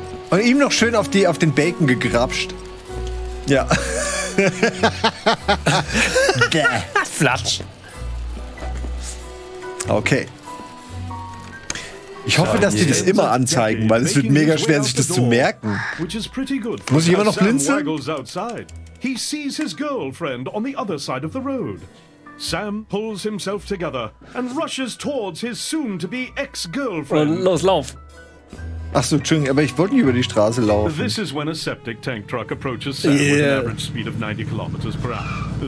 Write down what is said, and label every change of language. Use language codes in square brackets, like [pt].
[de] Und ihm noch schön auf den Bacon gegrapscht. Ja. Flatsch. Okay. Ich hoffe, dass die das immer anzeigen, weil es wird mega schwer, sich das zu merken. Muss ich immer noch blinzeln? [en] He sees his girlfriend on the other side of the road. Sam pulls himself together and rushes towards his soon-to-be ex-girlfriend. [de] Los, lauf! Ach so, Entschuldigung, aber ich wollte nicht über die Straße laufen. [en] This is when a septic tank truck approaches Sam with an average speed of 90 kilometers per hour.